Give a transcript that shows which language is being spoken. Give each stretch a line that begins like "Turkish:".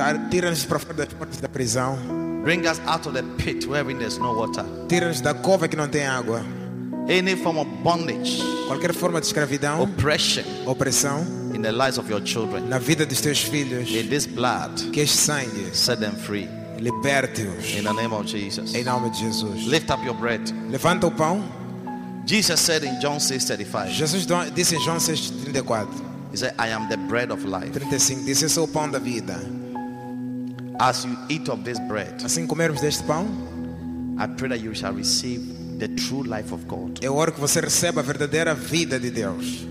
Portuguese: Tira-nos para fora das portas da prisão.
English: Bring us out of the pit wherein there's no water.
Portuguese: Tira-nos da cova que não tem água.
English: Any form of bondage,
Portuguese: qualquer forma de escravidão,
English: oppression,
Portuguese: opressão,
English: in the lives of your children,
Portuguese: na vida dos teus filhos,
English: in this blood,
Portuguese: que este sangue,
English: set them free,
Portuguese: liberte-os,
English: in the name of Jesus,
Portuguese: em nome de Jesus.
English: Lift up your bread.
Portuguese: Levanta o pão.
English: Jesus said in John 6:35.
Portuguese: Jesus disse em João 6:34.
English: He said, I am the bread of life.
Portuguese: 35.
English: This is
Portuguese: o pão da vida.
English: As you eat of this bread,
Portuguese: assim comermos deste pão,
English: I pray that you shall receive the true life of God.
Portuguese: Eu oro que você receba a verdadeira vida de Deus.